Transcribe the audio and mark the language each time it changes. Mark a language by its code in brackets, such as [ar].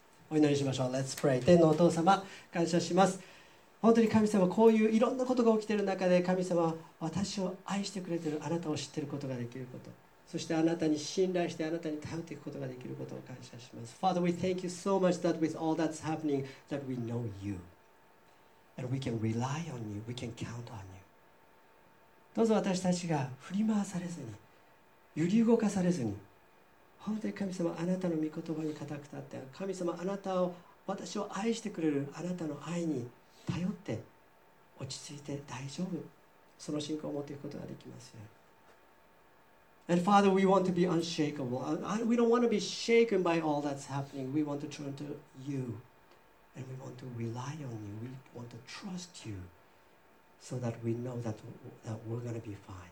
[ja] お祈りしましょう。 [en] Let's pray. [ja] 天のお父様、感謝します。本当に神様、こういういろんなことが起きている中で、神様、私を愛してくれている、あなたを知っていることができること、そしてあなたに信頼して、あなたに頼っていくことができることを感謝します。 [en] Father, we thank you so much that with all that's happening, that we know you. And we can rely on you, we can count on you. [ja] どうぞ私たちが振り回されずに、揺り動かされずに、本当に神様、あなたの御言葉に固く立って、神様、あなたを、私を愛してくれるあなたの愛に頼って、落ち着いて大丈夫、その信仰を持っていくことができますよ。 [en] And Father, we want to be unshakable. We don't want to be shaken by all that's happening. We want to turn to you. And we want to rely on you. We want to trust you. So that we know that we're going to be fine.